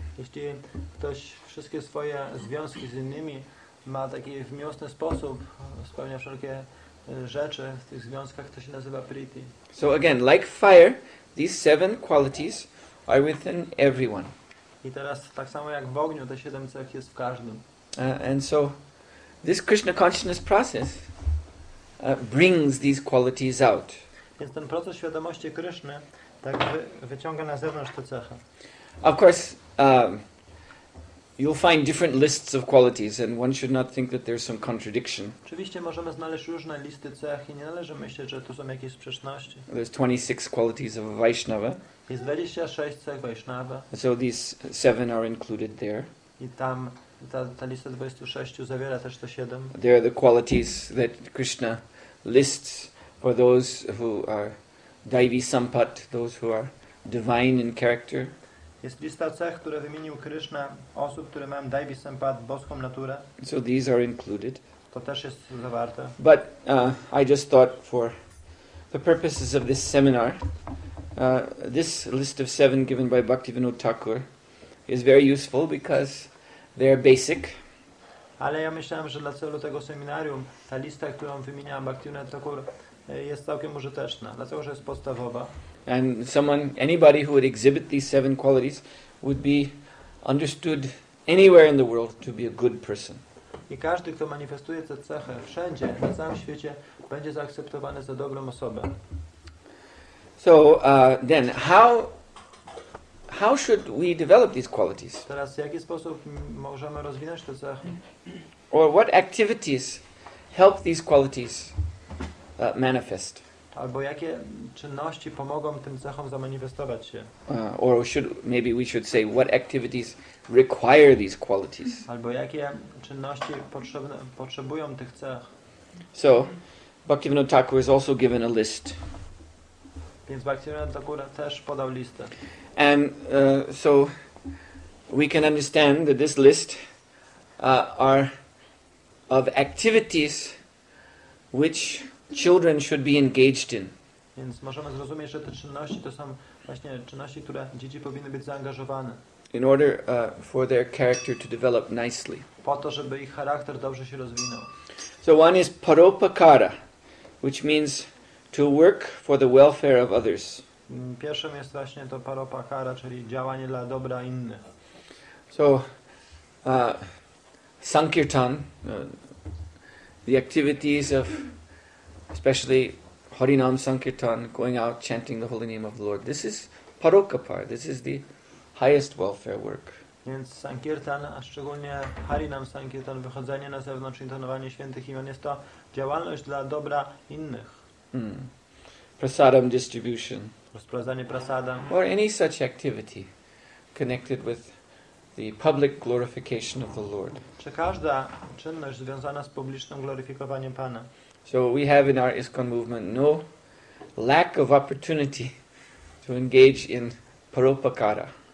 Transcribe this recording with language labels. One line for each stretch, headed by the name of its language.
Polish: Jeśli ktoś wszystkie swoje związki z innymi ma taki w miłosny sposób, spełnia wszelkie rzeczy w tych związkach, to się nazywa priti.
English: So again, like fire, these seven qualities are within everyone.
Polish: I teraz tak samo jak w ogniu, te siedem cech jest w każdym.
English: And so, this Krishna consciousness process brings these qualities out.
Polish: Więc ten proces świadomości Kryszny tak wyciąga na zewnątrz te cechy.
English: Of course, you'll find different lists of qualities and one should not think that there's some contradiction.
Polish: Oczywiście możemy znaleźć różne listy cech i nie należy myśleć, że tu są jakieś sprzeczności.
English: There's 26 qualities of a Vaishnava.
Polish: Jest 26 cech Vaishnava.
English: So these seven are included there.
Polish: I tam ta lista 26 zawiera też te 7.
English: They are the qualities that Krishna lists for those who are daivi sampat, those who are divine in character.
Polish: Jest lista cech, które wymienił Krishna, osób, które mają daivi sampat, boską naturę.
English: So these are included.
Polish: To też jest zawarte.
English: But I just thought for the purposes of this seminar, this list of 7 given by Bhaktivinoda Thakur is very useful because they are basic.
Polish: Ale ja myślałem, że dla celu tego seminarium ta lista, którą wymieniałem, Bhaktivinoda Thakur, jest całkiem użyteczna, dlatego że jest podstawowa.
English: And anybody who would exhibit these seven qualities would be understood anywhere in the world to be a good person.
Polish: I każdy, kto manifestuje te cechy wszędzie, na całym świecie, będzie zaakceptowany za dobrą osobę.
English: So then, how should we develop these qualities?
Polish: Teraz w jaki sposób możemy rozwinąć te cechy?
English: Or what activities help these qualities manifest?
Polish: Albo jakie czynności pomogą tym cechom zamanifestować się?
English: Or maybe we should say what activities require these qualities?
Polish: Albo jakie czynności potrzebują tych cech?
English: So, Bhaktivinoda Thakur has also given a list.
Polish: Więc Bhaktivinoda Thakur też podał listę.
English: And so we can understand that this list are of activities which children should be engaged in.
Polish: Więc możemy zrozumieć, że te czynności to są właśnie czynności, które dzieci powinny być zaangażowane.
English: In order for their character to develop nicely.
Polish: Po to, żeby ich charakter dobrze się rozwinął.
English: So one is paropakara, which means to work for the welfare of others.
Polish: Pierwszym jest właśnie to paropakara, czyli działanie dla dobra innych.
English: So, sankirtan, the activities of, especially Harinam sankirtan, going out chanting the holy name of the Lord. This is parokapar. This is the highest welfare work.
Polish: Więc sankirtan, a szczególnie Harinam sankirtan, wychodzenie na zewnątrz, intonowanie świętych imion, jest to działalność dla dobra innych.
English: Hmm. Prasadam distribution.
Polish: Rozprowadzanie prasadam.
English: Or any such activity connected with the public glorification of the Lord.
Polish: Czy każda czynność związana z publicznym gloryfikowaniem Pana?
English: So we have in our ISKCON movement no lack of opportunity to engage in paropakara.